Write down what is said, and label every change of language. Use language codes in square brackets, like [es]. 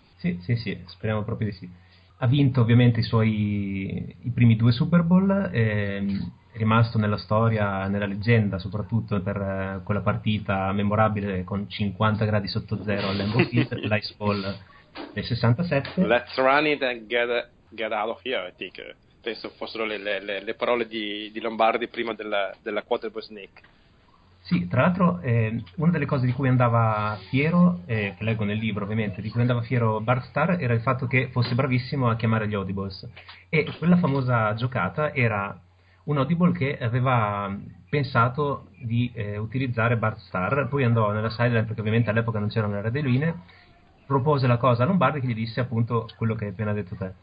[it] Sì, sì, sì, speriamo proprio di sì. Ha vinto ovviamente i primi 2 Super Bowl, è rimasto nella storia, nella leggenda, soprattutto per quella partita memorabile con 50 gradi sotto zero al Lambeau Field, l'Ice Bowl del 67. [en] Let's run it and get out of here, I think. [it] Penso fossero le parole di Lombardi prima della quarterback sneak. Sì, tra l'altro una delle cose di cui andava fiero, che leggo nel libro ovviamente, di cui andava fiero Bart Starr era il fatto che fosse bravissimo a chiamare gli audibles. E quella famosa giocata era un audible che aveva pensato di utilizzare Bart Starr, poi andò nella sideline perché ovviamente all'epoca non c'erano le rede linee, propose la cosa a Lombardi che gli disse appunto quello che hai appena detto te.